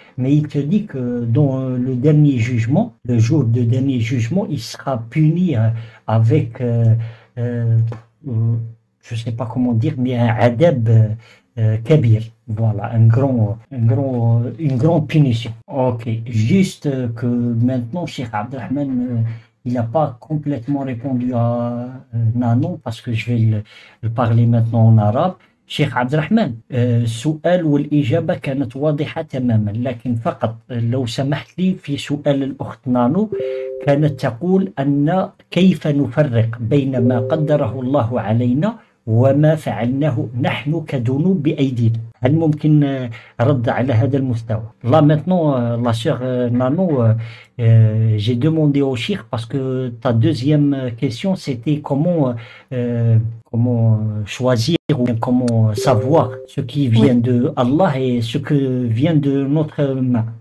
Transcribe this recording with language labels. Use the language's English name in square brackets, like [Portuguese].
[French] Mais il te dit que dans le dernier jugement, le jour du dernier jugement, il sera puni avec, je sais pas comment dire, mais un adab. Kabir, voilà, une grande punition. Ok, juste que maintenant, Cheikh Abdelrahman, il n'a pas complètement répondu à Nanon, parce que je vais le parler maintenant en arabe. [Arabic] Cheikh Abdelrahman, سؤال والإجابة كانت واضحة تماما, لكن فقط لو سمحت لي في سؤال الأخت نانو كانت تقول أن كيف نفرق بين ما قدره الله علينا وما فعلناه نحن كذنوب بأيدينا. هل ممكن رد على هذا المستوى؟ لا [French] maintenant la sœur Nano, j'ai demandé au Cheikh parce que ta deuxième question c'était comment comment choisir ou comment savoir ce qui vient de Allah et ce que vient de notre main.